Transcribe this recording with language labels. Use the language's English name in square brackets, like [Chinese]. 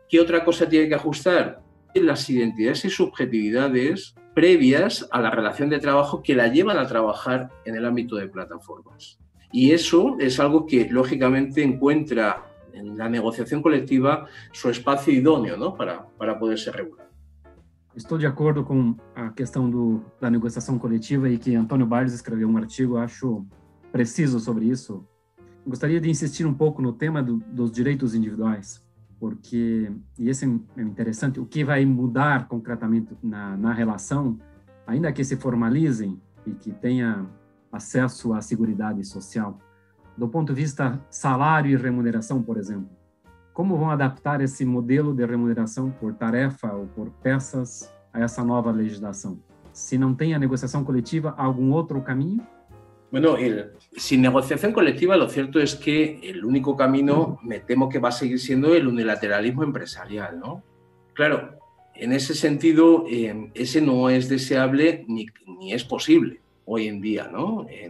[Spanish] ¿Qué otra cosa tiene que ajustar? Las identidades y subjetividades previas a la relación de trabajo que la llevan a trabajar en el ámbito de plataformas. Y eso es algo que, lógicamente, encuentra en la negociación colectiva su espacio idóneo, ¿no?, para poderse regular. [Portuguese] Estou de acordo com a questão da negociação coletiva e que Antônio Barros escreveu um artigo, acho preciso, sobre isso. Gostaria de insistir um pouco no tema dos direitos individuais, porque, e esse é interessante, o que vai mudar concretamente na relação, ainda que se formalizem e que tenha acesso à seguridade social, do ponto de vista salário e remuneração, por exemplo. Como vão adaptar esse modelo de remuneração por tarefa ou por peças a essa nova legislação? Se não tem a negociação coletiva, há algum outro caminho? [Spanish] Bueno, sin negociación colectiva, lo cierto es que el único camino, me temo que va a seguir siendo el unilateralismo empresarial, ¿no? Claro, en ese sentido, ese no es deseable ni es posible hoy en día, ¿no?